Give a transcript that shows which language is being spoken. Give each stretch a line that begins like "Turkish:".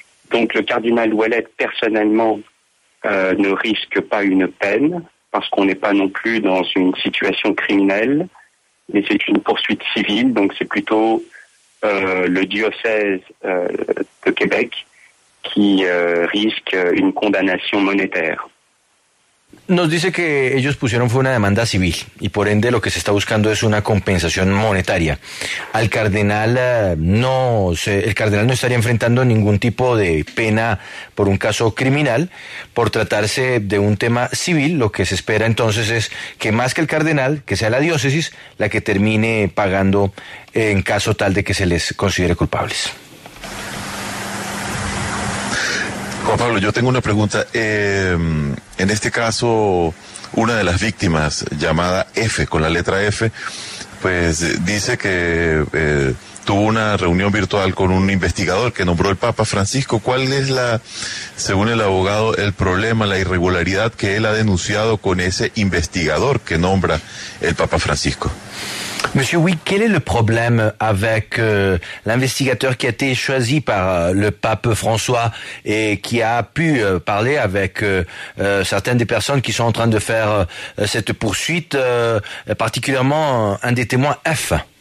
French: Donc le cardinal Ouellet, personnellement, ne risque pas une peine, parce qu'on n'est pas non plus dans une situation criminelle, mais c'est une poursuite civile, donc c'est plutôt le diocèse de Québec qui risque une condamnation monétaire.
Spanish: Nos dice que ellos pusieron fue una demanda civil y por ende lo que se está buscando es una compensación monetaria. Al cardenal no estaría enfrentando ningún tipo de pena por un caso criminal, por tratarse de un tema civil. Lo que se espera entonces es que más que el cardenal, que sea la diócesis la que termine pagando en caso tal de que se les considere culpables. Juan Pablo, yo tengo una pregunta. En este caso, una de las víctimas, llamada F, con la letra F, pues dice que tuvo una reunión virtual con un investigador que nombró el Papa Francisco. ¿Cuál es la, según el abogado, el problema, la irregularidad que él ha denunciado con ese investigador que nombra el Papa Francisco?
French: Monsieur Wee, quel est le problème avec l'investigateur qui a été choisi par le pape François et qui a pu parler avec certaines des personnes qui sont en train de faire cette poursuite, particulièrement un des témoins F?